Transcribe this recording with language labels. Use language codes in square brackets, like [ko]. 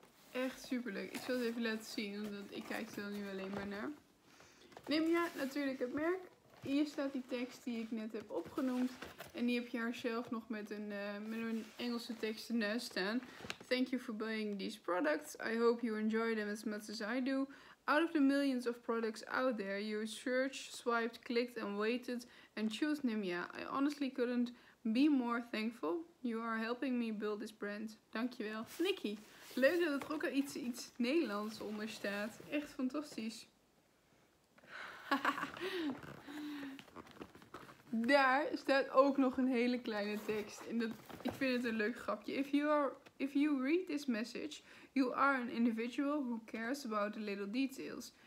[nl] Echt super leuk. Ik zal het even laten zien, omdat ik kijk er nu alleen maar naar. Neem ja, natuurlijk het merk. Hier staat die tekst die ik net heb opgenoemd. En die heb je haar zelf nog met een Engelse tekst ernaast staan. [en] Thank you for buying these products. I hope you enjoy them as much as I do. Out of the millions of products out there, you searched, swiped, clicked and waited and chose Nimya. I honestly couldn't be more thankful. You are helping me build this brand. [nl] Dankjewel. [en] Nikki. [nl] Leuk dat er ook al iets Nederlands onder staat. Echt fantastisch. Daar staat ook nog een hele kleine tekst. En dat, ik vind het een leuk grapje. [en] If you read this message, you are an individual who cares about the little details.